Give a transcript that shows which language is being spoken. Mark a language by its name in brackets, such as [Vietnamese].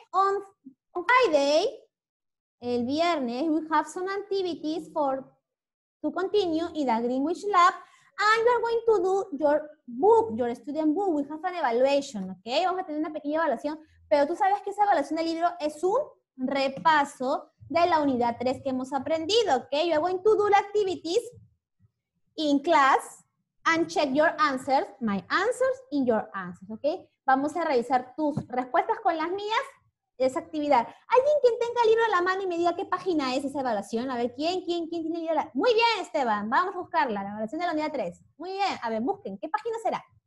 [English] On Friday, [Spanish] el viernes, [English] we have some activities to continue in the Greenwich Lab, and we are going to do your student book. We have an evaluation, okay. [Spanish] Vamos a tener una pequeña evaluación, pero tú sabes que esa evaluación del libro es un repaso de la unidad 3 que hemos aprendido, okay. [English] You are going to do the activities in class. And check your answers, my answers, and your answers, ¿ok? [Spanish] Vamos a revisar tus respuestas con las mías, esa actividad. ¿Alguien quien tenga el libro a la mano y me diga qué página es esa evaluación? A ver, ¿quién tiene el libro a la mano? Muy bien, Esteban, vamos a buscarla, la evaluación de la unidad 3. Muy bien, a ver, busquen, ¿qué página será?